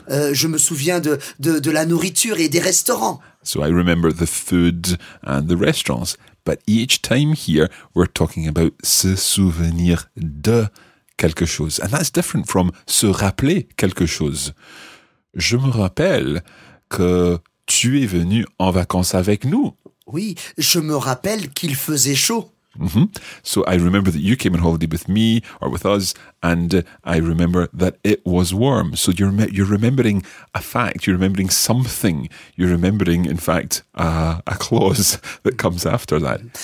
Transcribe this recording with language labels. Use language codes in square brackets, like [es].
[fr] Je me souviens de la nourriture et des restaurants. [en] So I remember the food and the restaurants. But each time here, we're talking about [fr] se souvenir de quelque chose. [en] And that's different from [fr] se rappeler quelque chose. Je me rappelle que tu es venu en vacances avec nous. Oui, je me rappelle qu'il faisait chaud. Mm-hmm. [en] So I remember that you came on holiday with me or with us, and I remember that it was warm. So you're remembering a fact, you're remembering something, you're remembering, in fact, a clause that comes after that.